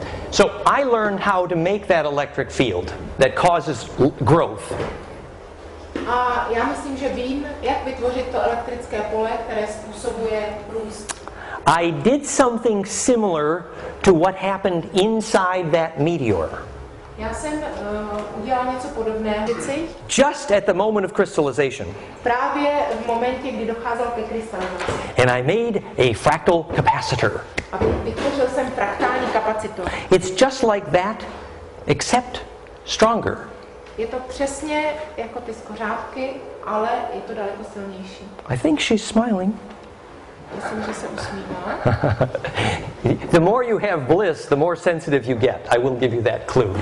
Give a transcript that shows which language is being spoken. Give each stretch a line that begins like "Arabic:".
English: So I learned how to make that electric field that causes growth.
Czech: A já myslím, že vím, jak vytvořit to elektrické pole, které způsobuje růst.
English: I did something similar to what happened inside that meteor.
Czech: Já jsem udělal něco podobného, věci.
English: Just at the moment of crystallization.
Czech: Právě v momentě, kdy docházel ke krystalizaci.
English: And I made a fractal capacitor.
Czech: A vytvořil jsem fraktální kapacitor.
English: It's just like that, except stronger.
Czech: Je to přesně jako ty skořápky, ale je to daleko silnější.
English: I think she's smiling.
Czech: Myslím, že se usmívá.
English: The more you have bliss, the more sensitive you get. I will give you that clue.